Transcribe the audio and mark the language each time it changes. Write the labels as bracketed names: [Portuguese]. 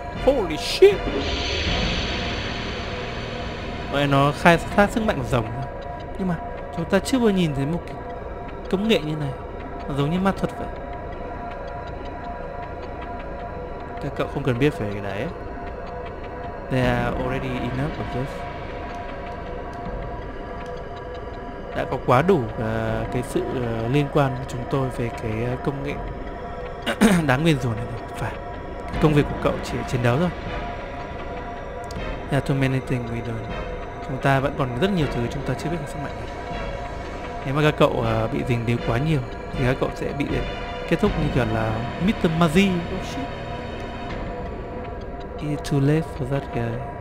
[English] Holy shit. [Vietnamese] Vậy nó khai thác sức mạnh của rồng. Nhưng mà chúng ta chưa bao giờ nhìn thấy một cái công nghệ như này. Nó giống như ma thuật vậy. Các cậu không cần biết về cái đấy. [English] There are already enough of this. [Vietnamese] Đã có quá đủ cái sự liên quan của chúng tôi về cái công nghệ đáng nguyên rủa này. Phải, cái công việc của cậu chỉ chiến đấu thôi. [English] There are too many things we don't. [Vietnamese] Chúng ta vẫn còn rất nhiều thứ chúng ta chưa biết về sức mạnh này. Nếu mà các cậu bị dính điều quá nhiều thì các cậu sẽ bị kết thúc như kiểu là Mr. Mazi. [English] Oh shit. It's too late for that guy.